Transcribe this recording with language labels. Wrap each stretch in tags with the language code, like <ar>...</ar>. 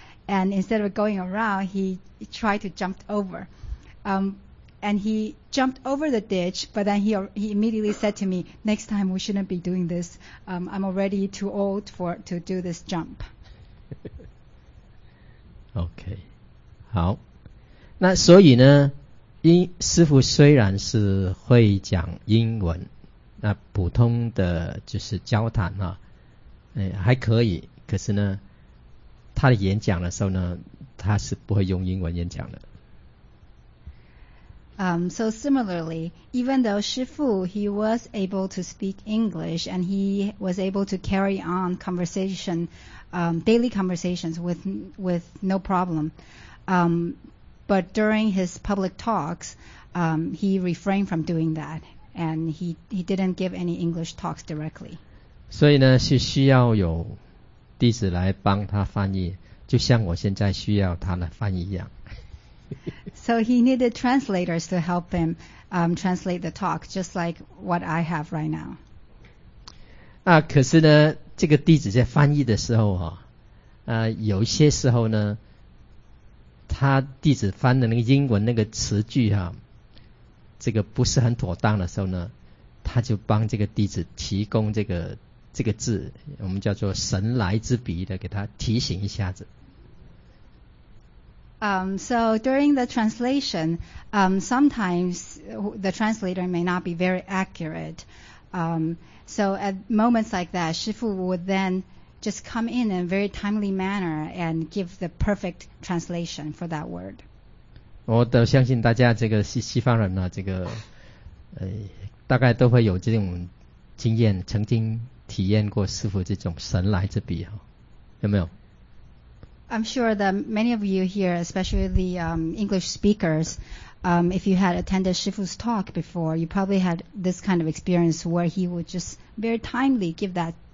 <en>And instead of going around, he tried to jump over. And he jumped over the ditch, but then he immediately said to me, next time we shouldn't be doing this. I'm already too old to do this jump. Okay.</en> <zh>好。那所以呢，师父虽然是会讲英文，那普通的就是交谈啊，还可以，可是呢，他的演讲的时候呢，他是不会用英文演讲的。</zh> <en>So similarly, even though Shifu, he was able to speak English and he was able to carry on conversation, daily conversations with no problem. But during his public talks, he refrained from doing that and he didn't give any English talks directly.</en> <zh>所以呢，是需要有弟子来帮他翻译，就像我现在需要他来翻译一样。</zh> <en>So he needed translators to help him translate the talk, just like what I have right now.</en> <zh>可是呢，这个弟子在翻译的时候有一些时候呢，他弟子翻的那个英文那个词句这个不是很妥当的时候呢，他就帮这个弟子提供这个字，我们叫做神来之笔的，给他提醒一下子。</zh> <en>So during the translation, sometimes the translator may not be very accurate. So at moments like that, Shifu would then just come in a very timely manner and give the perfect translation for that word.</en> <zh>我都相信大家这个西方人这个大概都会有这种经验，曾经体验过师父这种神来之笔，有没有？</zh> <en>I'm sure that many of you here, especially the English speakers, if you had attended Shifu's talk before, you probably had this kind of experience where he would just very timely give that</en>